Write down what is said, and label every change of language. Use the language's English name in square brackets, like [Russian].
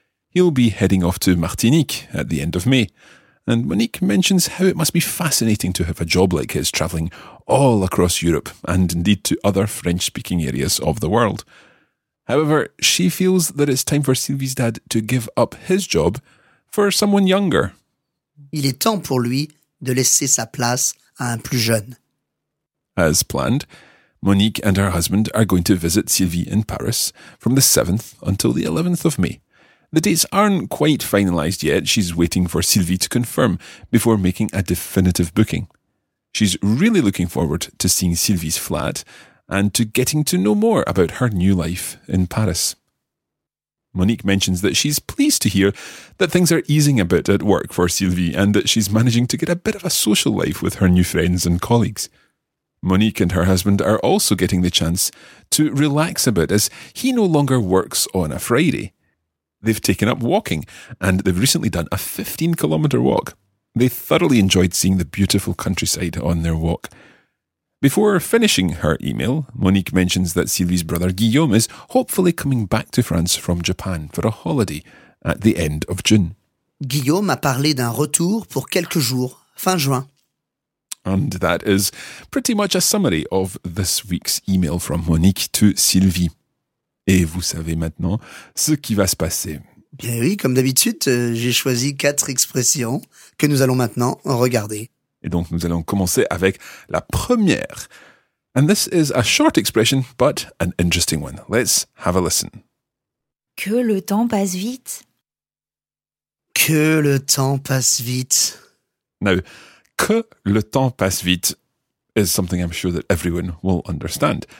[English] He'll be heading off to Martinique at the end of May, and Monique mentions how it must be fascinating to have a job like his travelling all across Europe and indeed to other French-speaking areas of the world. However, she feels that it's time for Sylvie's dad to give up his job for someone younger. [French] Il est temps pour lui de laisser sa place à un plus jeune. [English] As planned, Monique and her husband are going to visit Sylvie in Paris from the 7th until the 11th of May. The dates aren't quite finalised yet. She's waiting for Sylvie to confirm before making a definitive booking. She's really looking forward to seeing Sylvie's flat and to getting to know more about her new life in Paris. Monique mentions that she's pleased to hear that things are easing a bit at work for Sylvie and that she's managing to get a bit of a social life with her new friends and colleagues. Monique and her husband are also getting the chance to relax a bit as he no longer works on a Friday. They've taken up walking and they've recently done a 15-kilometre walk. They thoroughly enjoyed seeing the beautiful countryside on their walk. Before finishing her email, Monique mentions that Sylvie's brother Guillaume is hopefully coming back to France from Japan for a holiday at the end of June. [French] Guillaume a parlé d'un retour pour quelques jours, fin juin. [English] And that is pretty much a summary of this week's email from Monique to Sylvie. [French] Et vous savez maintenant ce qui va se passer. Bien oui, comme d'habitude, j'ai choisi quatre expressions que nous allons maintenant regarder. Et donc, nous allons commencer avec la première. [English] And this is a short expression, but an interesting one. Let's have a listen. [French] Que le temps passe vite. Que le temps passe vite. [English] Now, [French] que le temps passe vite [English] is something I'm sure that everyone will understand.